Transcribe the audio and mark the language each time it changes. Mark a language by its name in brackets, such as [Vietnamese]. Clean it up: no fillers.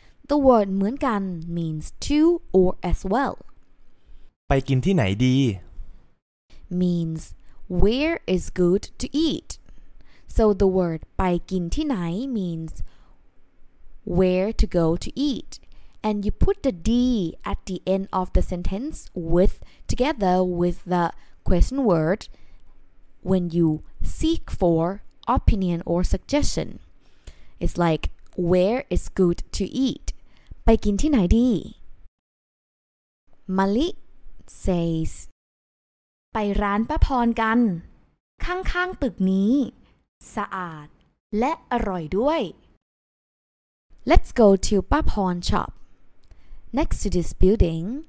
[English] The word เหมือนกัน means to or as well. [Thai] ไปกินที่ไหนดี [English] means where is good to eat. So the word ไปกินที่ไหน means where to go to eat. And you put the D at the end of the sentence with together with the question word when you seek for opinion or suggestion. It's like where is good to eat. [Thai] ไปกินที่ไหนดี [English] มะลิsays [Thai] ไปร้านป้าพรกันข้างๆตึกนี้สะอาดและอร่อยด้วย [English] Let's go to ป้าพร shop next to this building.